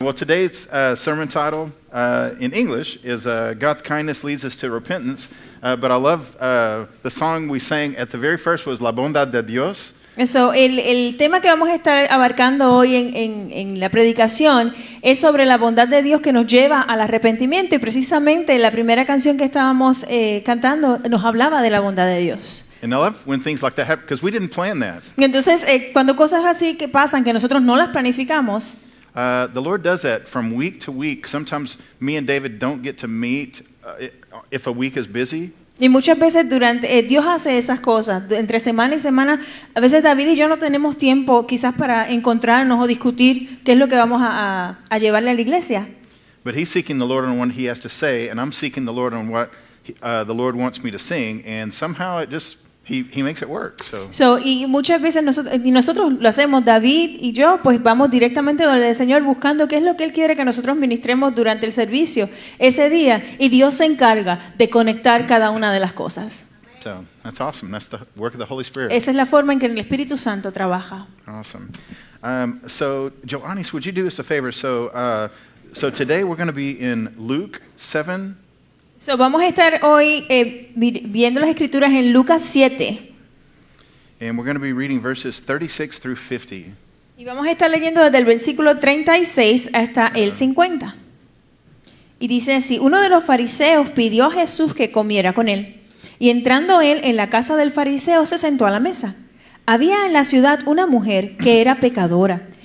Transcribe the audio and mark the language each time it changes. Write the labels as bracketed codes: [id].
[en] Well, today's sermon title in English is God's Kindness Leads Us to Repentance, but I love the song we sang at the very first was [es] La Bondad de Dios. So, el tema que vamos a estar abarcando hoy en la predicación es sobre la bondad de Dios que nos lleva al arrepentimiento, y precisamente la primera canción que estábamos cantando nos hablaba de la bondad de Dios. [en] And I love when things like that happen, because we didn't plan that. [es] Y entonces, cuando cosas así que pasan, que nosotros no las planificamos, [en] The Lord does that from week to week. Sometimes me and David don't get to meet if a week is busy. [es] Y muchas veces durante Dios hace esas cosas entre semana y semana. A veces David y yo no tenemos tiempo, quizás para encontrarnos o discutir qué es lo que vamos a llevarle a la iglesia. [en] But he's seeking the Lord on what he has to say, and I'm seeking the Lord on what the Lord wants me to sing, and somehow it just. He makes it work. So [es] y muchas veces nosotros lo hacemos, David y yo, pues vamos directamente donde el Señor buscando qué es lo que él quiere que nosotros ministremos durante el servicio ese día, y Dios se encarga de conectar cada una de las cosas. [en] So that's awesome. That's the work of the Holy Spirit. [es] Esa es la forma en que el Espíritu Santo trabaja. [en] Awesome. So Joannis, would you do us a favor? So today we're going to be in Luke 7. [es] So, vamos a estar hoy viendo las escrituras en Lucas 7. [en] And we're going to be reading verses 36 through 50. [es] Y vamos a estar leyendo desde el versículo 36 hasta el 50. Y dice así: uno de los fariseos pidió a Jesús que comiera con él. Y entrando él en la casa del fariseo, se sentó a la mesa. Había en la ciudad una mujer que era pecadora.